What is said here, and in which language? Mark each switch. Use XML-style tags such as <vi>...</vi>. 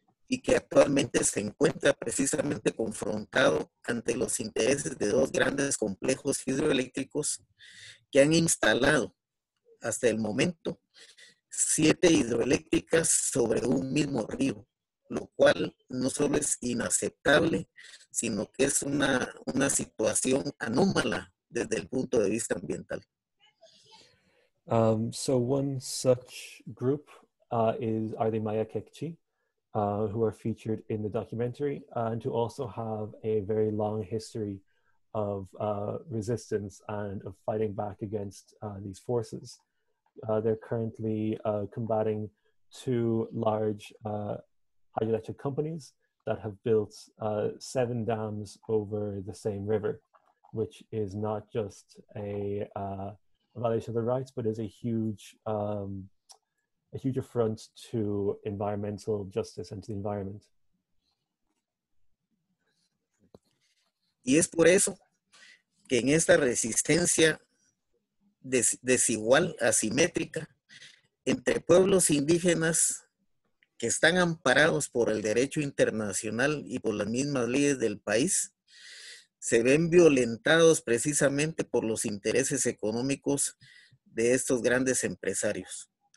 <es>y que actualmente se encuentra precisamente confrontado ante los intereses de dos grandes complejos hidroeléctricos que han instalado hasta el momento 7 hidroeléctricas sobre un mismo río, lo cual no solo es inaceptable, sino que es una situación anómala desde el punto de vista ambiental.</es> <en>So one such group are the Maya Kekchi, who are featured in the documentary, and who also have a very long history of resistance and of fighting back against these forces. They're currently combating two large hydroelectric companies that have built 7 dams over the same river, which is not just a violation of their rights, but is a huge affront to environmental justice and to the environment.</en> <es>Y es por eso que en esta resistencia desigual, asimétrica, entre pueblos indígenas que están amparados por el derecho internacional y por las mismas leyes del país, se ven violentados precisamente por los intereses económicos de estos grandes empresarios.</es>